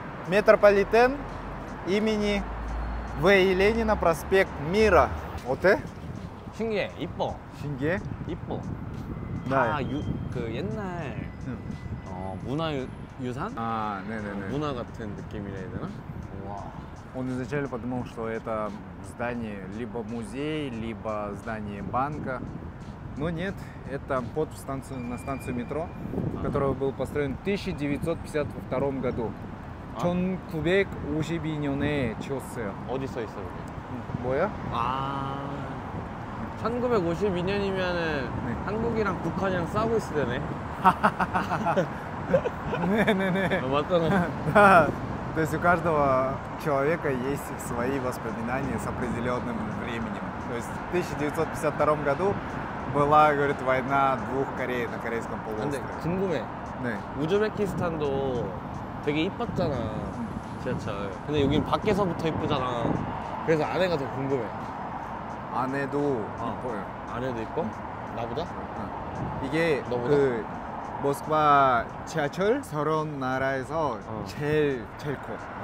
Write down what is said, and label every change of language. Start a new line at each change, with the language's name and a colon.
Russian: 메트로폴리텐 이미니 V.E. 레니나 프로스펙트 미라.
Korean: 어때? 신기해. 이뻐. 신기해? 이뻐. 다 그 옛날 문화 유산? 아, 네네네. 문화 같은 느낌이라 해야 되나? 와.
Russian: Он изначально подумал, что это здание либо музей, либо здание банка. Но нет, это вход в станцию, на станцию метро, которая была построена в 1952 году.
Korean: 1952년에 지었어요. 어디서 있어? 뭐야? 아, 1952년이면은 네. 한국이랑 북한이랑 싸우고 있을 때네. 네네네. 맞다.
Russian: То есть у каждого человека есть свои воспоминания с определенным временем. То есть в 1952 году была, говорит, война двух Корей на корейском полуострове.
Korean: 근데 궁금해. 네. 우즈베키스탄도 되게 이뻤잖아. 지하철. 근데 여기는 밖에서부터 이쁘잖아. 그래서 안에가 더 궁금해. 안에도 이뻐요. 안에도 이뻐? 나보다? 이게 너보다? 그 모스크바 지하철 서른 나라에서 제일 커.